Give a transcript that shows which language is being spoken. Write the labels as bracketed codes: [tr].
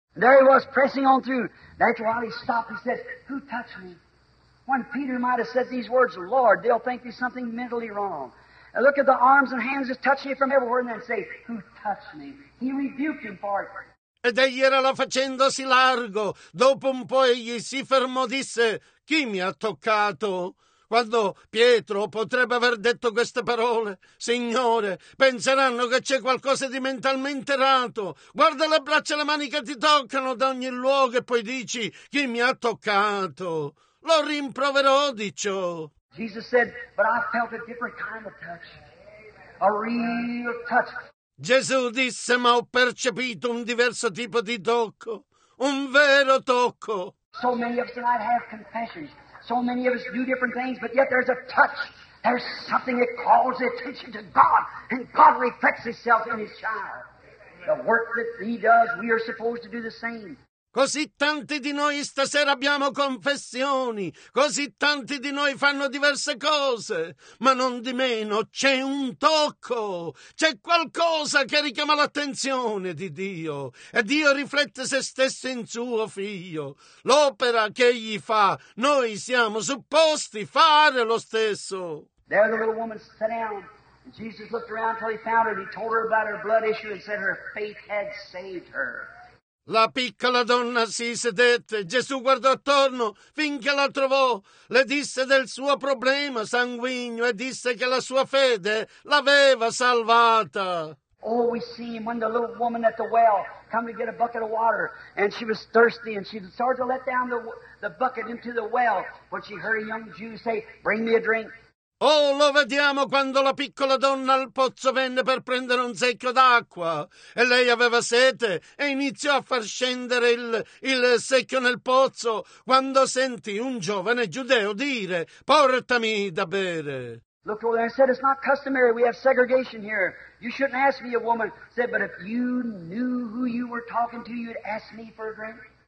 [en] There he was pressing on through. That's why he stopped. He said, who touched me? When Peter might have said these words, Lord, they'll think there's something mentally wrong. And look at the arms and hands just touching me from everywhere and then say, who touched me? He rebuked him for it. [it] Ed egli era là facendosi largo. Dopo un po' egli si fermò e disse, chi mi ha toccato? Quando Pietro potrebbe aver detto queste parole, Signore, penseranno che c'è qualcosa di mentalmente errato. Guarda le braccia e le mani che ti toccano da ogni luogo e poi dici, chi mi ha toccato? Lo rimproverò di ciò. [en] Jesus said, but I felt a different kind of touch. A real touch. [it] Gesù disse, ma ho percepito un diverso tipo di tocco, un vero tocco. [en] So many of us tonight have confessions. So many of us do different things, but yet there's a touch. There's something that calls attention to God, and God reflects Himself in His child. The work that He does, we are supposed to do the same. [it] Così tanti di noi stasera abbiamo confessioni, così tanti di noi fanno diverse cose, ma non di meno c'è un tocco, c'è qualcosa che richiama l'attenzione di Dio e Dio riflette se stesso in suo figlio. L'opera che egli fa, noi siamo supposti fare lo stesso. [en] There the little woman sat down, and Jesus looked around till he found her, and he told her about her blood issue and said her faith had saved her. [it] La piccola donna si sedette, Gesù guardò attorno finché la trovò, le disse del suo problema sanguigno e disse che la sua fede l'aveva salvata. [en] Oh, we see him when the little woman at the well come to get a bucket of water and she was thirsty and she started to let down the bucket into the well when she heard a young Jew say, bring me a drink. [it] Oh, lo vediamo quando la piccola donna al pozzo venne per prendere un secchio d'acqua e lei aveva sete e iniziò a far scendere il secchio nel pozzo quando sentì un giovane giudeo dire, portami da bere. [en] Look over there. I said, it's not customary. We have segregation here. You shouldn't ask me, a woman said, but if you knew who you were talking to, you'd ask me for a drink.